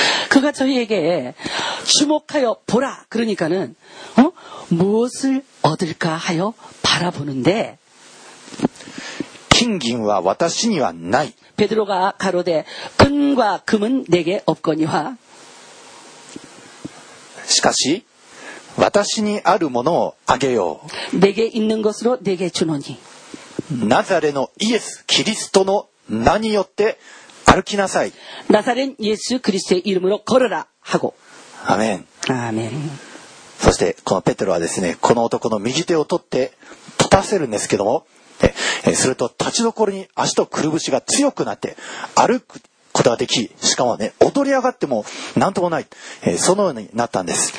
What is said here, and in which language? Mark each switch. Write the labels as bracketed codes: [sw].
[ko] 그가저희에게주목하여보라그러니까는어무엇을얻을까하여바라보는데 [ja] 金銀は私にはない [ko] ペテロが가로대금과금은내게없거니와 [ja] しかし私にあるものをあげよう [ko] 내게있는것으로내게주노니 [ja] ナザレのイエス・キリストの名によって歩きなさい。 [ko] ナザレンイエス・クリストの이름으로걸어라하고。 [ja] アメン。アメン。そしてこのペテロはですね、この男の右手を取って立たせるんですけども、すると立ちどころに足とくるぶしが強くなって歩くことができ、しかもね、踊り上がっても何ともない、そのようになったんです。